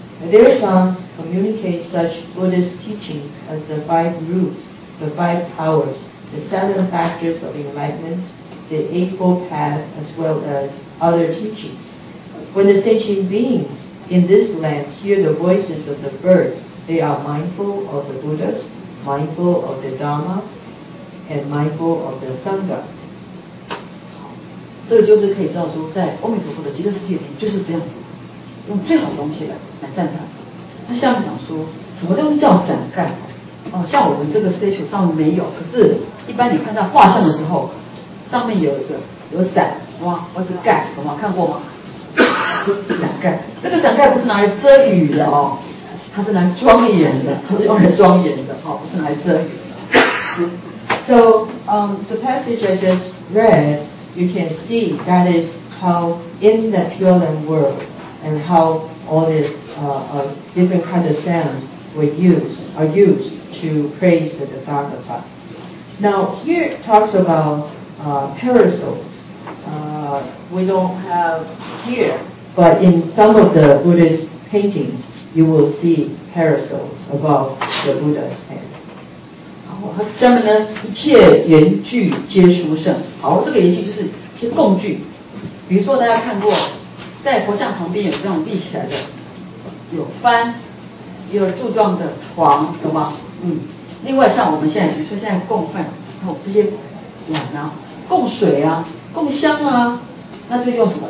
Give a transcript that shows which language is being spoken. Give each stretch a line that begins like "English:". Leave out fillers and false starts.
English: Their songs communicate such Buddhist teachings as the five roots, the five powers, the seven factors of enlightenment, the Eightfold Path, as well as other teachings. When the sentient beings in this land hear the voices of the birds, they are mindful of the Buddhas, mindful of the Dharma, and mindful of the Sangha.
Chinese: 这个就是可以知道说，在阿弥陀佛的极乐世界里面就是这样子，用最好的东西来赞叹。那下面讲说，什么东西叫伞盖？哦，像我们这个 statue 上没有，可是一般你看到画像的时候，上面有一个有伞，哇，或是盖，有吗？看过吗？伞盖，这个伞盖不是拿来遮雨的哦，它是拿来庄严的，它是用来庄严的哦，不是拿来遮雨的。
English: So, the passage I just read. You can see that is how in the Pure Land world and how all the different kinds of sounds are used to praise the Dharma. Now, here it talks about parasols. We don't have here, but in some of the Buddhist paintings, you will see parasols above the Buddha's head.
Chinese: 下面呢，一切缘具皆殊胜。好，这个缘具就是一些供具，比如说大家看过，在佛像旁边有那种立起来的，有幡，也有柱状的床，懂吗？嗯。另外，像我们现在，比如说现在供饭，哦，这些碗啊，供水啊，供香啊，那就用什么？